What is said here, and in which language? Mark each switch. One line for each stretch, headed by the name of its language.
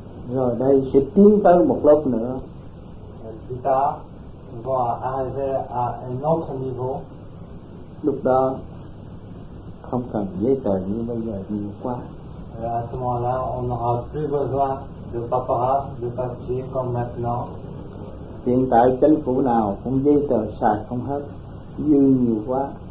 Vietnamese: Rồi đây sẽ tiến tới một lớp nữa.
French: Plus tard, on va arriver à un autre niveau.
Vietnamese: Lúc đó, không cần giấy tờ như bây giờ nhiều quá.
French: Et à ce moment-là, on n'aura plus besoin de paperasse, de papier comme maintenant.
Vietnamese: Hiện tại, chính phủ nào cũng giấy tờ xài không hết, dư nhiều quá.